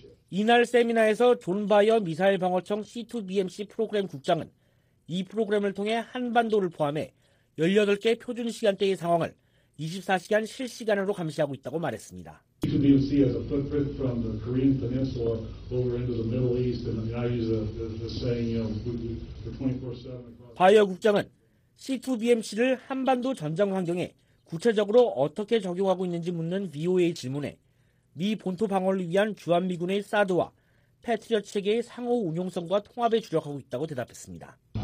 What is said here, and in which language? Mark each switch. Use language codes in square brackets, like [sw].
[ko] 이날 세미나에서 존 바이어 미사일 방어청 C2BMC 프로그램 국장은 이 프로그램을 통해 한반도를 포함해 18개 표준 시간대의 상황을 24시간 실시간으로 감시하고 있다고 말했습니다. [en] C2BMC has a footprint from the Korean Peninsula over into the Middle East, and I use the saying, you know, the 24/7. [ko] 바이어 국장은 C2BMC를 한반도 전장 환경에 구체적으로 어떻게 적용하고 있는지 묻는 VOA 질문에 미 본토 방어를 위한 주한미군의 사드와 패트리어트 체계의 상호 운용성과 통합에 주력하고 있다고 대답했습니다.